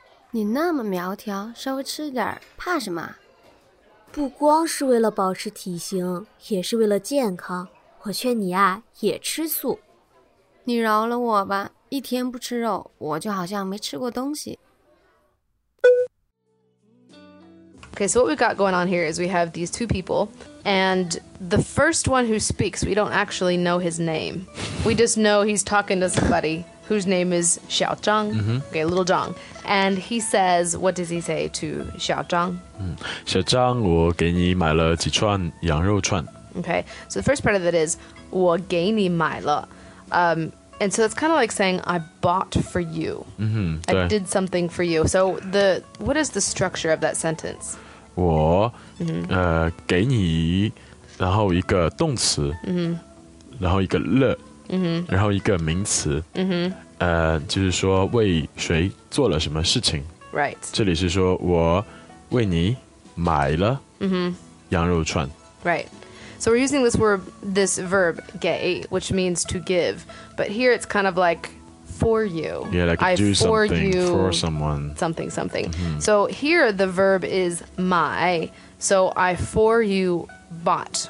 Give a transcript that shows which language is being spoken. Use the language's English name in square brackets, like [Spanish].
[Chinese] 你那么苗条,稍微吃点,怕什么? 不光是为了保持体型,也是为了健康,我劝你啊,也吃素。你饶了我吧,一天不吃肉,我就好像没吃过东西。 [English] Okay, so what we've got going on here is we have these two people, and the first one who speaks, we don't actually know his name. We just know he's talking to somebody whose name is Xiao Zhang. Mm-hmm. Okay, Little Zhang. And he says, what does he say to Xiao Zhang? [Chinese] Xiao Zhang, 我给你买了几串羊肉串。 [English] Okay, so the first part of that is, [Chinese] 我给你买了. [English] And so it's kind of like saying, I bought for you. Mm-hmm, I did something for you. So the, what is the structure of that sentence? [Chinese] 我、mm-hmm. 给你然后一个动词、 mm-hmm. 然后一个乐、 mm-hmm. 然后一个名词、 mm-hmm. 就是说为谁做了什么事情。 [English] Right. [Chinese] 这里是说我为你买了羊肉串。 [English] Mm-hmm. Right. So we're using this word, this verb, 给, which means to give. But here it's kind of like for you. Yeah, like I do something for someone. Something, something.、Mm-hmm. So here the verb is 买, so I for you bought.